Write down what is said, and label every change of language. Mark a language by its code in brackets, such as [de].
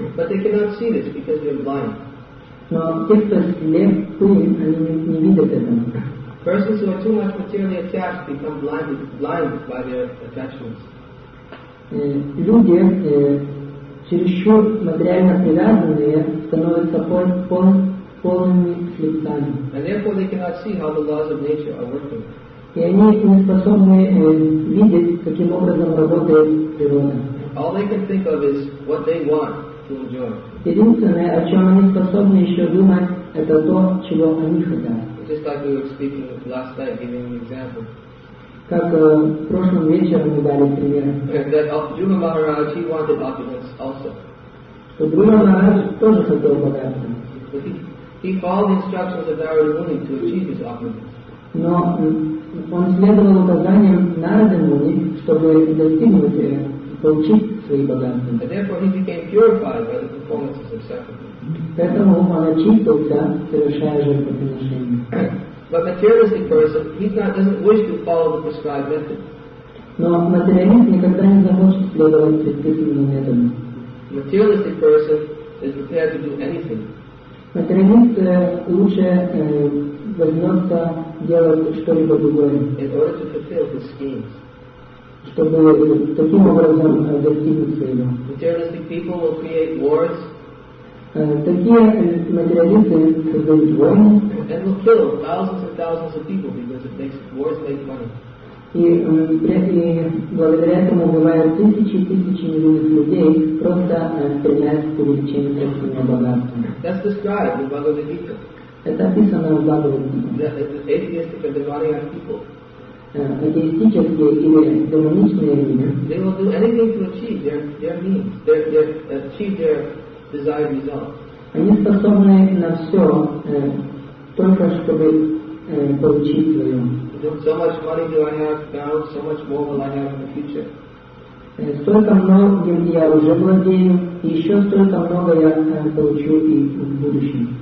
[en] But they cannot see this because they are blind. [ru] Но те, кто слепы, они не видят этого. [en] Persons who are too much materially attached become blinded by their attachments. [ru] Люди, чересчур материально привязанные, становятся полными слепцами. [en] And therefore they cannot see how the laws of nature are working. [ru] И они не способны видеть, каким образом работает природа. [en] All they can think of is what they want to enjoy. [ru] Единственное, о чем они способны еще думать, это то, чего они хотят. [en] Just like we were speaking last night, giving an example. [ru] Как в прошлом вечере мы дали пример. [en] Дхрува Махарадж, he wanted opulence also. [ru] So, Дхрува Махарадж тоже хотел богатства. [en] He followed the instructions of Нарада Муни to achieve his opulence. [ru] Но он следовал указаниям Нарада Муни, чтобы достигнуть и получить свои богатства. [en] And therefore he became purified by the performances of sacrifice. [ru] Поэтому он очистился, совершая жертвоприношение. [en] But materialistic person, doesn't wish to follow the prescribed method. [ru] Но материалист никогда не захочет следовать предписанному методу. [en] Materialistic person is prepared to do anything. [ru] Материалист лучше возьмется делать что-либо другое. [en] In order to fulfill his schemes. [ru] чтобы таким образом достигнуть цели. [en] Materialistic people will create wars. [ru] Такие материалисты создают войны. [en] And will kill thousands and thousands of people because it makes wars make money. [ru] И благодаря этому бывают тысячи и тысячи невинных людей просто стремятся к увеличению собственного богатства. Это описано в Бхагавад-гите. Атеистические или демоничные люди. [en] They will do anything to achieve their means, achieve their desired results. [ru] Они способны на все только чтобы получить свое. [en] So much money do I have now, so much more will I have in the future. [ru] Столько много я уже владею, и еще столько много я получу и в будущем.